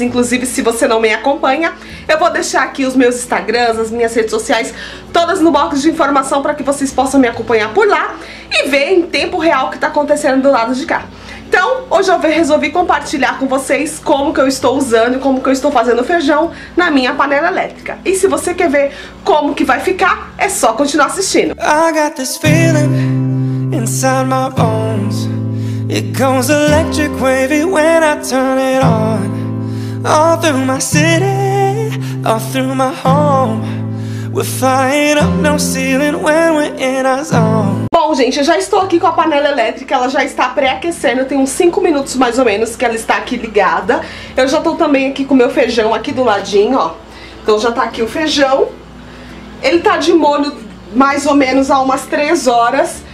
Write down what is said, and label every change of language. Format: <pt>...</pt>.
<pt>Inclusive, se você não me acompanha, eu vou deixar aqui os meus Instagrams, as minhas redes sociais, todas no box de informação para que vocês possam me acompanhar por lá e ver em tempo real o que está acontecendo do lado de cá. Então, hoje eu resolvi compartilhar com vocês como que eu estou usando, como que eu estou fazendo feijão na minha panela elétrica. E se você quer ver como que vai ficar, é só continuar assistindo.</pt> <en>I got this feeling inside my bones. It goes electric wavy when I turn it on. All through my city, all through my home. We're flying up no ceiling when we're in our zone.</en> <pt>Bom, gente, eu já estou aqui com a panela elétrica, ela já está pré-aquecendo, tem uns 5 minutos mais ou menos que ela está aqui ligada. Eu já estou também aqui com o meu feijão aqui do ladinho, ó. Então já está aqui o feijão. Ele está de molho mais ou menos há umas 3 horas.</pt>